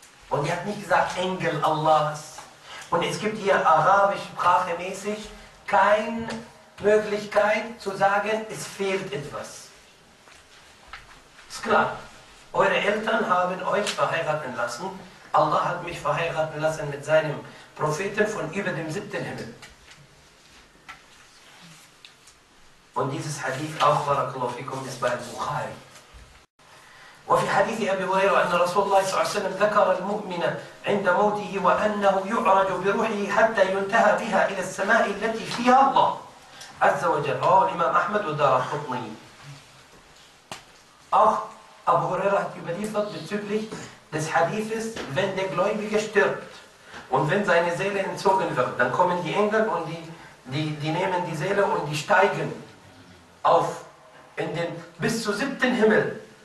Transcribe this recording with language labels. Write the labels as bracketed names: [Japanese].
[German] Und er hat nicht gesagt Engel Allahs. Und es gibt hier arabischsprachemäßig keine Möglichkeit zu sagen, es fehlt etwas. Ist klar. Eure Eltern haben euch verheiraten lassen. Allah hat mich verheiraten lassen mit seinem Propheten von über dem siebten Himmel. Und dieses Hadith auch, barakallahu fikum, ist bei Bukhari. [Arabic] وفي حديث أبي هريرة أن رسول الله صلى الله عليه وسلم ذكر المؤمن عند موته وأنه يعرج بروحه حتى ينتهى بها إلى السماء التي فيها الله عز وجل. رواه الإمام أحمد والدارقطني. [German] Auch Abu Huraira hat überliefert bezüglich des Hadithes, wenn der Gläubige stirbt und wenn seine Seele entzogen wird, dann kommen die Engel und die nehmen die Seele und die steigen auf in den bis zu siebten Himmel.